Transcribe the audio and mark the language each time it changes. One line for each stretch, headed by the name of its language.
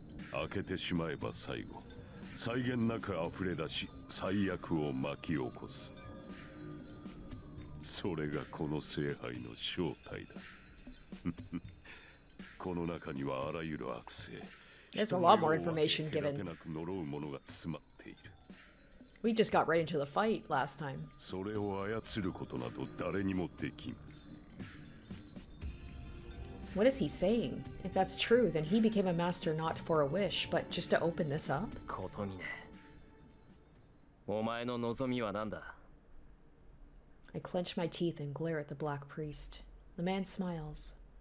Japanese: 開けてしまえば最後、際限なく溢れ出し最悪を巻き起こす。それがこの聖杯の正体だ。この中にはあらゆる悪性、人の世を分け隔てなく呪うものが詰まっている。
English: We just got right into the fight last time.
Japanese: それを操ることなど誰にもできん。
English: What is he saying? If that's true, then he became a master not for a wish, but just to open this up?
Japanese: Kotomine. Omae no nozomi wa nanda?
English: I clench my teeth and glare at the black priest. The man smiles.